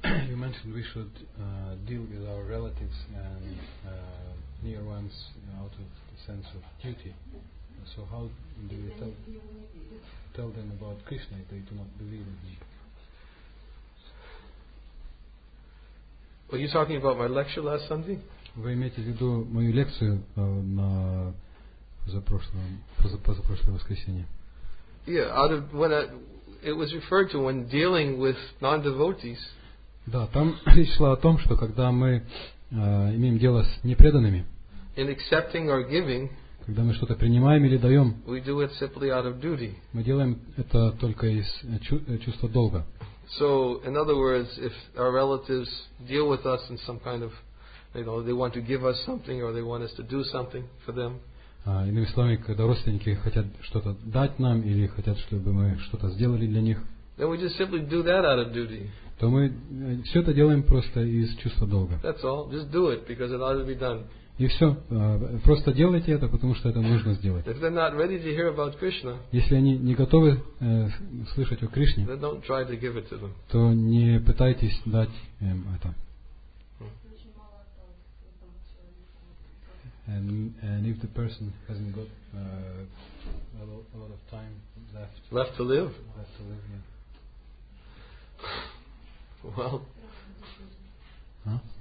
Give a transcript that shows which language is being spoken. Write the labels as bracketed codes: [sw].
[en] You mentioned we should deal with our relatives and near ones out of the sense of duty. So how do you tell them about Krishna if they do not believe in him? Were you talking about my lecture last Sunday? [ru] Вы имеете в виду мою лекцию на позапрошлое воскресенье? [en] Yeah, it was referred to when dealing with non-devotees. [ru] Да, там речь шла о том, что когда мы имеем дело с непреданными, [en] in accepting or giving, [ru] когда мы что-то принимаем или даем, [en] we do it simply out of duty. [ru] Мы делаем это только из чувства долга. [en] So, in other words, if our relatives deal with us in some kind of, they want to give us something or they want us to do something for them. [ru] Иными словами, когда родственники хотят что-то дать нам или хотят, чтобы мы что-то сделали для них, [en] then we just simply do that out of duty. [ru] То мы все это делаем просто из чувства долга. [en] That's all. Just do it because it ought to be done. [ru] И все. Просто делайте это, потому что это нужно сделать. [en] If they're not ready to hear about Krishna, [ru] если они не готовы слышать о Кришне, [en] then don't try to give it to them. [ru] То не пытайтесь дать им это. [en] And if the person hasn't got a lot of time left. Left to live? Left to live, yeah. Well, huh?